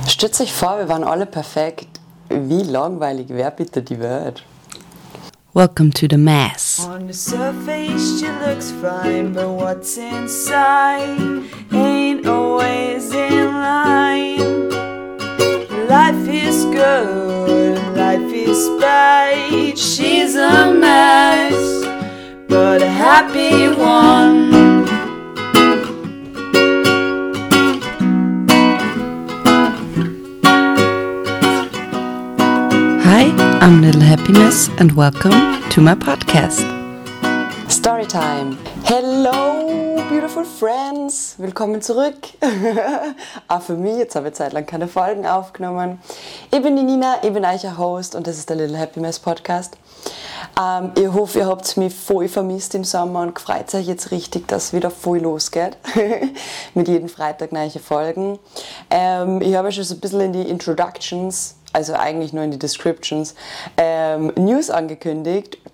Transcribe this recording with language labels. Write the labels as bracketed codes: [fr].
[de] Stellt euch vor, wir waren alle perfekt. Wie langweilig wäre bitte die Welt? [en] Welcome to the mess. On the surface she looks fine, but what's inside ain't always in line. Life is good, life is bad, she's a mess, but a happy one. I'm Little Happiness and welcome to my podcast. Storytime. Hello, beautiful friends. [de] Willkommen zurück. Auch für mich, jetzt habe ich zeitlang keine Folgen aufgenommen. Ich bin die Nina, ich bin euer Host und das ist der Little Happiness Podcast. Ich hoffe, ihr habt mich voll vermisst im Sommer und freut euch jetzt richtig, dass wieder voll losgeht. Mit jedem Freitag neue Folgen. Ich habe schon so ein bisschen in die Introductions, also eigentlich nur in die Descriptions, News angekündigt.